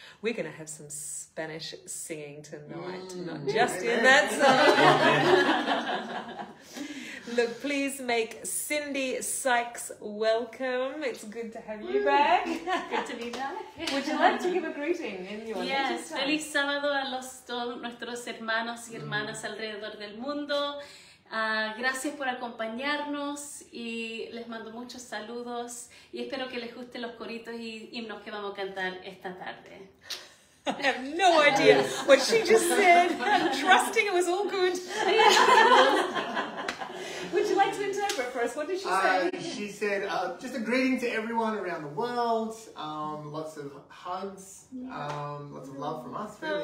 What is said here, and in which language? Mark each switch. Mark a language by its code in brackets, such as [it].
[en] We're going to have some Spanish singing tonight. Mm. Not just in that song. Look, please make Cindy Sykes welcome. It's good to have you back. Good to be back. Would you like to give a greeting in your native tongue? [es] Feliz sábado a los todos nuestros hermanos y hermanas alrededor del mundo. Gracias por acompañarnos y les mando muchos saludos y espero que les gusten los coritos y himnos que vamos a cantar esta tarde. [en] I have no idea what she just said. I'm trusting it was all good. Would you like to interpret for us? What did she say? She said, just a greeting to everyone around the world. Lots of hugs. Lots of love from us, really.